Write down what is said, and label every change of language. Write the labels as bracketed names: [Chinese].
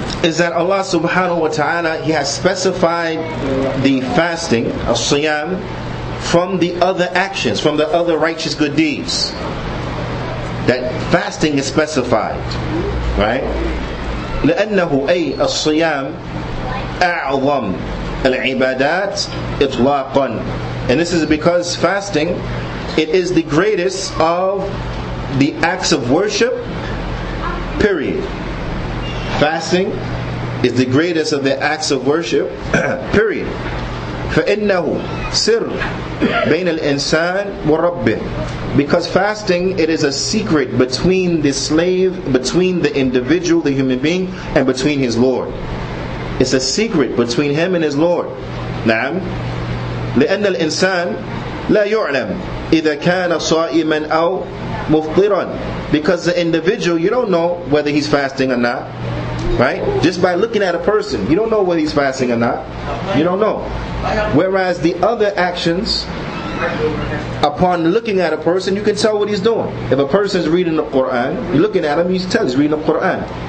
[English] Is that Allah subhanahu wa ta'ala, He has specified the fasting, al-siyam, from the other actions, from the other righteous good deeds. That fasting is specified, right? [Arabic] لأنه أي الصيام أعظم العبادات إطلاقا. [English] And this is because fasting, it is the greatest of the acts of worship, period. Fasting is the greatest of the acts of worship, period. [Arabic] فإنه سر بين الإنسان وربه. [English] Because fasting, it is a secret between the slave, between the individual, the human being, and between his Lord. It's a secret between him and his Lord. [Arabic] نعم. لأن الإنسان لا يعلم إذا كان صائما أو مفطرا. [English] Because the individual, you don't know whether he's fasting or not. Right? Just by looking at a person, you don't know whether he's fasting or not. You don't know. Whereas the other actions, upon looking at a person, you can tell what he's doing. If a person is reading the Quran, you're looking at him, you can tell he's reading the Quran.